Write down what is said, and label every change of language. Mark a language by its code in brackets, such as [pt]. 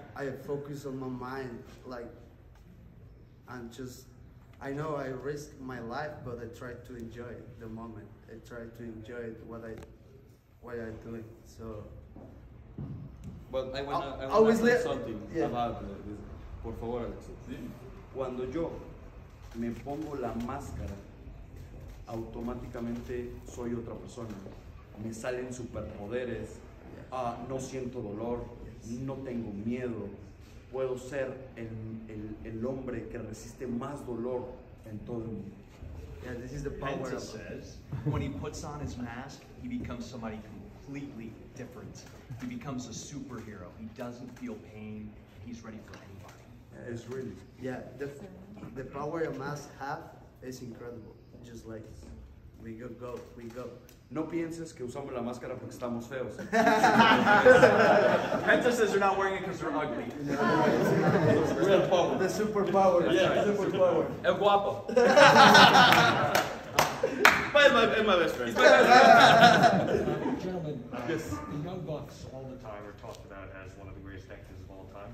[en] I focus on my mind, like, and just, I know I risk my life, but I try to enjoy the moment. I try to enjoy what I'm doing. So, but I want to say something about this. [es] Por favor, Alexis. Cuando yo me pongo la máscara, automáticamente soy otra persona. Me salen superpoderes. No siento dolor, no tengo miedo, puedo ser el hombre que resiste más dolor en todo el mundo. [en] Yeah, this is the power. Penta says, when he puts on his mask, he becomes somebody completely different. He becomes a superhero. He doesn't feel pain. He's ready for anybody. It's really, yeah. The power a mask have is incredible. Just like we go. [es] No pienses que usamos la máscara porque estamos feos. [en] Penta says they're not wearing it because they're ugly. Real power. The superpower. Yeah, the superpower. [es] El guapo. [en] my best friend. He's my best friend. Gentlemen, the Young Bucks all the time are talked about as one of the greatest actors of all time.